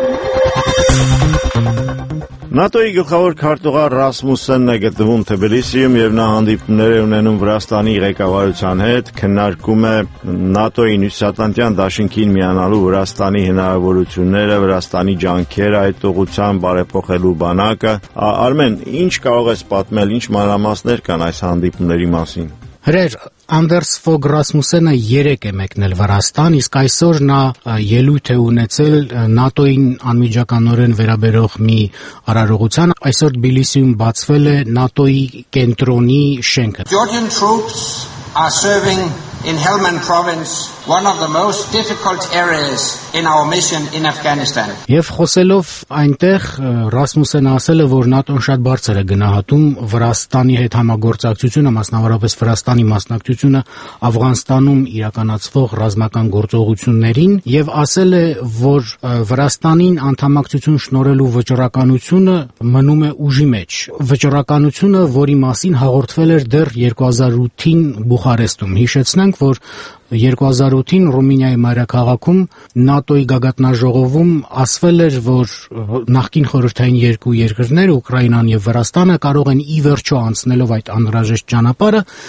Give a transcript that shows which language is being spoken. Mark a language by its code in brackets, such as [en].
[hy] ՆԱՏՕ-ի գլխավոր քարտուղար Ռասմուսենն է գտնվում Թբիլիսիում եւ նա հանդիպումներ է ունենում Վրաստանի ղեկավարության հետ, քննարկում է ՆԱՏՕ-ի հյուսիսատլանտյան դաշինքին միանալու Վրաստանի հնարավորությունները, Վրաստանի ջանքերը այդ ուղղությամբ բարեփոխելու բանակը։ Արմեն, ինչ կարող ես պատմել, ինչ մանրամասներ կան այս հանդիպումների մասին։ Հրեր, Անդերս Ֆոգ Ռասմուսենը 3 է մեկնել Վրաստան, իսկ այսօր նա ելույթ է ունեցել ՆԱՏՕ-ին անմիջականորեն վերաբերող մի արարողության։ Այսօր Թբիլիսիում բացվել է ՆԱՏՕ-ի կենտրոնի շենքը։ [en] Georgian troops are serving in Helmand province, one of the most difficult areas in our mission in Afghanistan. [hy] Եվ խոսելով այնտեղ, Ռասմուսենը ասել է, որ ՆԱՏՕ-ն շատ բարձր է գնահատում Վրաստանի հետ համագործակցությունը, մասնավորապես Վրաստանի մասնակցությունը Աֆղանստանում իրականացվող ռազմական գործողություններին, եւ ասել է, որ Վրաստանին անդամակցություն շնորհելու վճռականությունը մնում է ուժի մեջ, վճռականությունը, որի մասին հաղորդվել էր դեռ 2008-ին Բուխարեստում։ Հիշեցնենք, որ 2008-ին Ռումինիայի մայրաքաղաքում ՆԱՏՕ-ի գագաթնաժողովում ասվել էր, որ նախկին խորհրդային երկու երկրներ, Ուկրաինան եւ Վրաստանը, կարող են ի վերջո, անցնելով այդ անհրաժեշտ ճանապարհը,